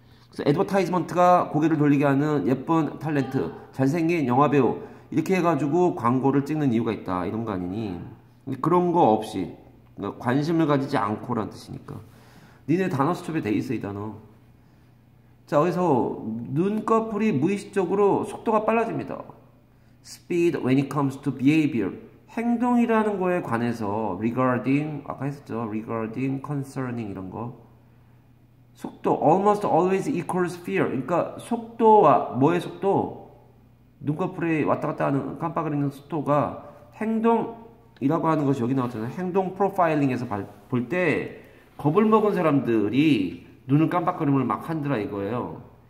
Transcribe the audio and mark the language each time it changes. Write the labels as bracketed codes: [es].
[ko] 그래서 애드버타이즈먼트가 고개를 돌리게 하는 예쁜 탤런트 잘생긴 영화배우 이렇게 해가지고 광고를 찍는 이유가 있다 이런 거 아니니 그런 거 없이 관심을 가지지 않고란 뜻이니까. 니네 단어 수첩에 돼 있어, 이 단어. 자, 여기서 눈꺼풀이 무의식적으로 속도가 빨라집니다. [en] Speed when it comes to behavior. [ko] 행동이라는 거에 관해서, regarding, 아까 했었죠. regarding, concerning, 이런 거. 속도, [en] almost always equals fear. [ko] 그러니까 속도와, 뭐의 속도? 눈꺼풀이 왔다 갔다 하는, 깜빡거리는 속도가 행동, 이라고 하는 것이 여기 나왔잖아요. 행동 프로파일링에서 볼때 겁을 먹은 사람들이 눈을 깜빡거림을 막 한다 이거예요.